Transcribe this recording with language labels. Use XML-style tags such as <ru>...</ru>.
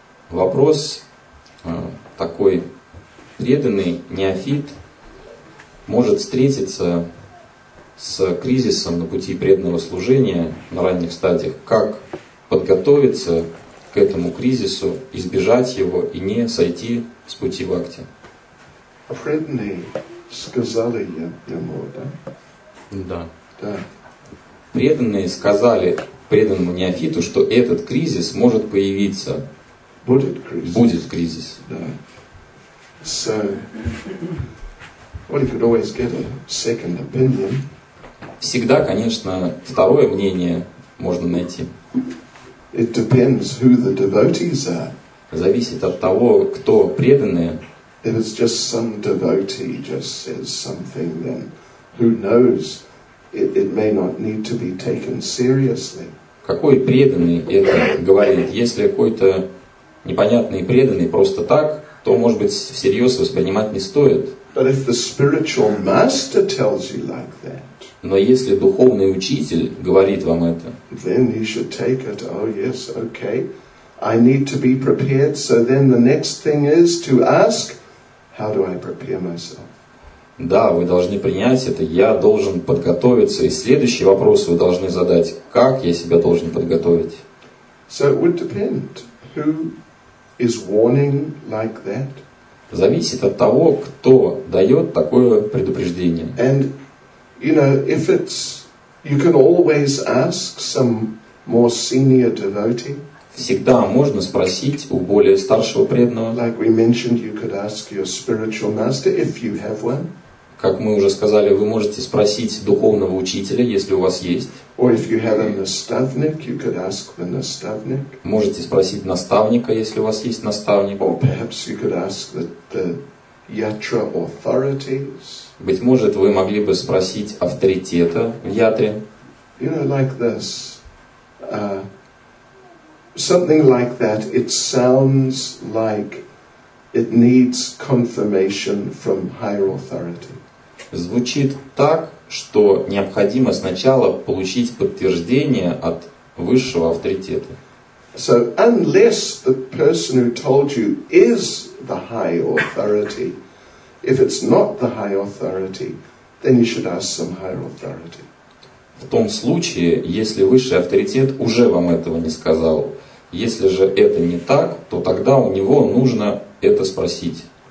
<ru>Вопрос такой: преданный неофит может встретиться с кризисом на пути преданного служения на ранних стадиях, как подготовиться к этому кризису, избежать его и не сойти с пути бхакти. Преданный сказали ему, да? Да. Да. Преданные сказали преданному неофиту, что этот кризис может появиться. Будет кризис. Будет кризис. Да.</ru> <en>So, well, you could always get a second opinion.</en> <ru>Всегда, конечно, второе мнение можно найти.</ru> <en>It depends who the devotees are.</en> <ru>Зависит от того, кто преданные.</ru> <en>If it's just some devotee just says something, then Who knows? It may not need to be taken seriously.</en> <ru>Какой преданный это говорит? Если какой-то непонятный преданный просто так, то, может быть, всерьез воспринимать не стоит.</ru> <en>But if the spiritual master tells you like that,</en> <ru>но если духовный учитель говорит вам это,</ru> <en>then you should take it. Oh yes, okay. I need to be prepared. So then the next thing is to ask, how do I prepare myself?</en> <ru>Да, вы должны принять это, я должен подготовиться. И следующий вопрос вы должны задать, как я себя должен подготовить?</ru> <en>So it would depend who is warning like that.</en> <ru>Зависит от того, кто дает такое предупреждение.</ru> <en>And, you know, if it's, you can always ask some more senior devotee.</en> <ru>Всегда можно спросить у более старшего преданного.</ru> <en>Like we mentioned, you could ask your spiritual master if you have one.</en> <ru>Как мы уже сказали, вы можете спросить духовного учителя, если у вас есть.</ru> <en>Or if you have a naставник, you could ask the naставник.</en> <ru>Можете спросить наставника, если у вас есть наставник.</ru> <en>Or perhaps you could ask the yatra authorities.</en> <ru>Быть может, вы могли бы спросить авторитета в ятре.</ru> <en>You know, like this. Something like that, it sounds like it needs confirmation from higher authority.</en> <ru>Звучит так, что необходимо сначала получить подтверждение от высшего авторитета.</ru> <en>So unless the person who told you is the high authority, if it's not the high authority, then you should ask some higher authority.</en> <ru>В том случае, если высший авторитет уже вам этого не сказал, если же это не так, то тогда у него нужно это спросить.</ru>